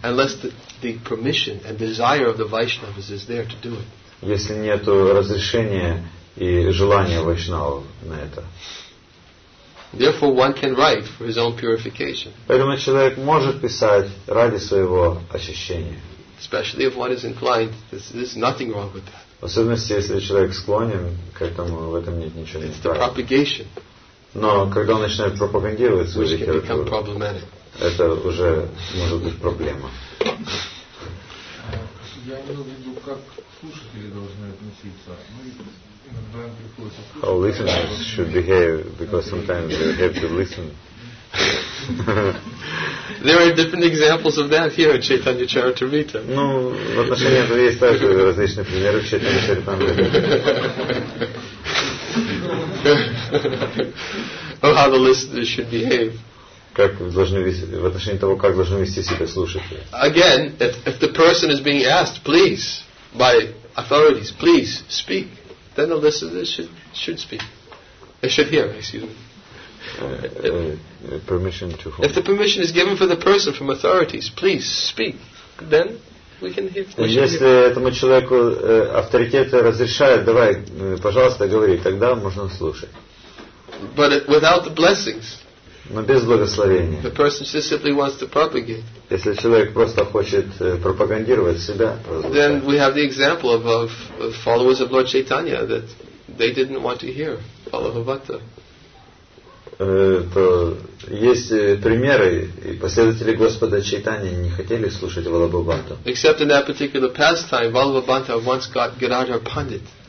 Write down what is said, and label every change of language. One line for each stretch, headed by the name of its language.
English: Unless the permission and desire of the Vaishnavas is there to do it.
Russian: Если нету разрешения и желания вайшнава на это.
English: Therefore, one can write for his own purification.
Russian: Поэтому человек может писать ради своего очищения.
English: Especially if one is inclined, there's nothing wrong with that.
Russian: В особенности, если человек склонен к этому, в этом нет ничего неправильного.
English: It's the propagation.
Russian: Но когда он начинает пропагандировать свою литературу,
English: which can become problematic.
Russian: Это уже может быть проблема. Я имею в виду, как слушатели должны относиться. Иногда приходится слушать.
English: How listeners should behave, because sometimes they have to listen. There are different examples of that here in Chaitanya Charitamrita.
Russian: Ну, в отношении этого есть также различные примеры в Chaitanya Charitamrita.
English: Of how the listeners should behave.
Russian: Как должны вести, в отношении того, как должны вести себя слушатели.
English: Again, if the person is being asked, please, by authorities, please speak, then the listeners should speak. They should hear, excuse me. Permission to whom? If the permission is given for the person from authorities, please speak, then we can hear.
Russian: Если этому человеку авторитет разрешает, давай, пожалуйста, говори, тогда можно слушать.
English: But without the blessings.
Russian: Но без благословения.
English: The person simply wants to propagate.
Russian: Если человек просто хочет пропагандировать себя.
English: Then we have the example of followers of Lord Chaitanya that they didn't want to hear Balabhavata.
Russian: То есть примеры, и последователи Господа Чайтани не хотели слушать Балабхавату.
English: Except in that particular pastime, Balabhavata once got Gadadhar Pandit.